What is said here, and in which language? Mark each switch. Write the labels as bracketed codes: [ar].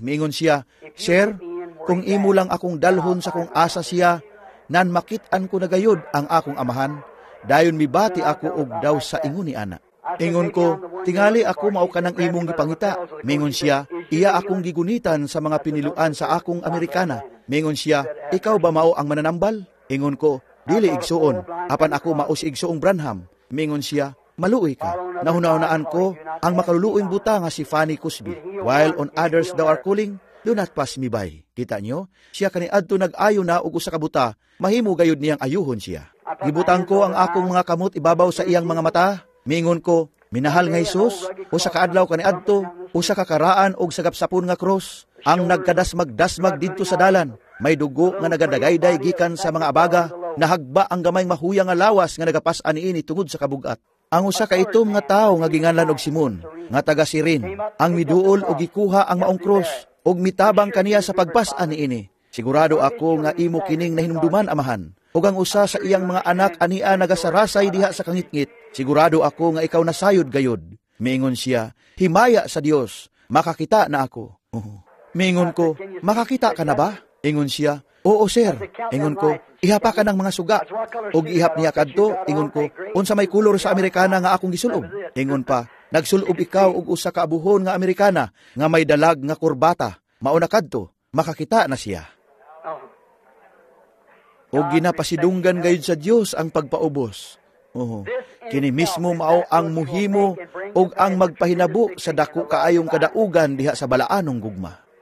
[ceb] Miingon siya, "Sir, kung imo lang akong dalhon sa kung asa siya, nan makit-an ko na gayod ang akong amahan, dayon mibati ako og daw sa ingon ni ana." Ingon ko, "Tingali ako mao kanang imong gipangita." Miingon siya, "Iya akong gigunitan sa mga piniluan sa akong Amerikana." Miingon siya, "Ikaw ba mao ang mananambal?" Ingon ko, "Dili igsuon, apan ako mao si igsuong Branham." Miingon siya, "Maluoy ka." Nahunahunaan ko ang makaluluing buta nga si Fanny Cosby. [en] "While on others thou are calling, do not pass me by." [ceb] Kita nyo, siya kani adto nag-ayo na og usa ka buta, mahimo gayud niyang ayuhon siya. Gibutang ko ang akong mga kamot ibabaw sa iyang mga mata. Miingon ko, "Minahal nga Hesus, usa ka adlaw kani adto, usa ka karaan og sagapsapon nga cross, ang nagkadasmag-dasmag didto sa dalan. May dugo nga nagadagayday gikan sa mga abaga, nahagba ang gamay mahuyang nga lawas nga nagapas-an ini tungod sa kabugat. Ang usa ka itom nga tawo nga ginganlan og Simon, nga taga Sirene, ang miduol og gikuha ang maong cross og mitabang kaniya sa pagpas-an ini. Sigurado ako nga imo kining nahinumduman, amahan. Ug ang usa sa iyang mga anak ania nagasarasay diha sa kangitngit. Sigurado ako nga ikaw nasayod gayod." Miingon siya, "Himaya sa Dios, makakita na ako." Miingon ko, "Makakita ka na ba?" Ingon siya, "Oo, sir." Ingon ko, "Ihapa ka ng mga suga." Ug ihap niya kadto. Ingon ko, "Unsa may kulor sa Amerikana nga akong gisulob?" Ingon pa, "Nagsulob ikaw ug usa ka abuhon nga Amerikana nga may dalag nga kurbata." Mauna kadto, makakita na siya. O ginapasidunggan gayud sa Dios ang pagpaubos. Oho, kini mismo mao ang muhimo og ang magpahinabo sa dako kaayong kadaugan diha sa balaanong gugma.